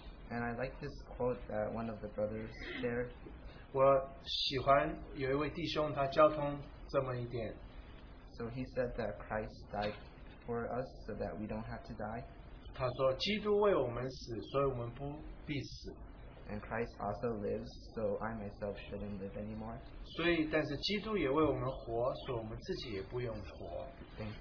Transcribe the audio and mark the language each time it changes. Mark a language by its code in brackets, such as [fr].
[en] And I like this quote that one of the brothers shared. [zh] 我喜欢有一位弟兄，他交通。这么一点, [en] so he said that Christ died for us so that we don't have to die. [zh] 他说基督为我们死，所以我们不必死。 [en] And Christ also lives, so I myself shouldn't live anymore. [zh] 所以，但是基督也为我们活，所以我们自己也不用活。 [en] Thank